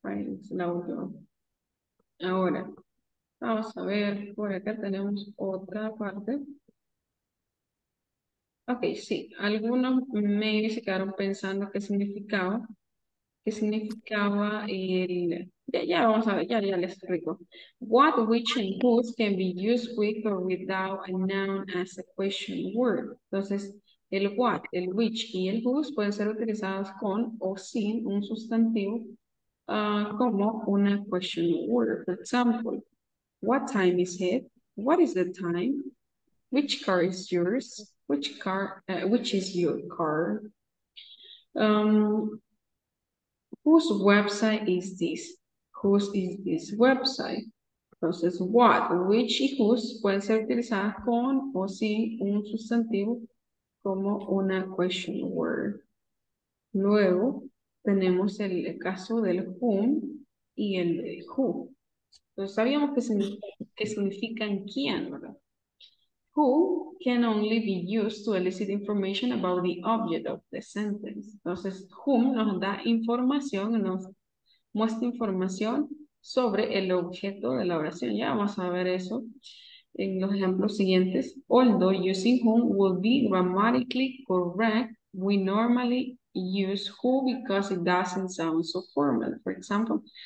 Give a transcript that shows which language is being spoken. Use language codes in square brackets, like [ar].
[es] Es la última. Ahora. Vamos a ver, por acá tenemos otra parte. Ok, sí, algunos maybe se quedaron pensando qué significaba el... Ya vamos a ver, ya les explico. [en] What, which, and whose can be used with or without a noun as a question word. [es] Entonces, el what, el which y el whose pueden ser utilizados con o sin un sustantivo como una question word. [en] For example, what time is it? What is the time? Which car is yours? Which is your car? Whose website is this? Whose is this website? [es] Entonces, what, which y whose pueden ser utilizadas con o sin un sustantivo como una question word. Luego, tenemos el caso del whom y el de who. Entonces, sabíamos que significan quién, ¿verdad? [en] Who can only be used to elicit information about the object of the sentence. [es] Entonces, whom nos da información, nos muestra información sobre el objeto de la oración. Ya vamos a ver eso en los ejemplos siguientes. [en] Although using whom would be grammatically correct, we normally use who because it doesn't sound so formal, for example.